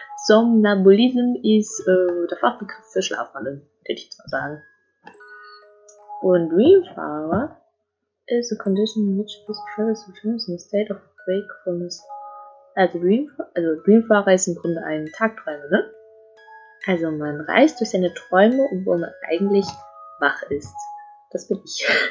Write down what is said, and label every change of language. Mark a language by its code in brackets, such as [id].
[de] Somnambulism ist der Fachbegriff für Schlafwandeln, würde ich jetzt mal sagen. [en] Und Dreamfarer is a condition in which this travels returns in a state of wakefulness. [de] Also Dreamfarer ist im Grunde ein Tagträumer, ne? Also man reist durch seine Träume, obwohl man eigentlich wach ist. Das bin ich.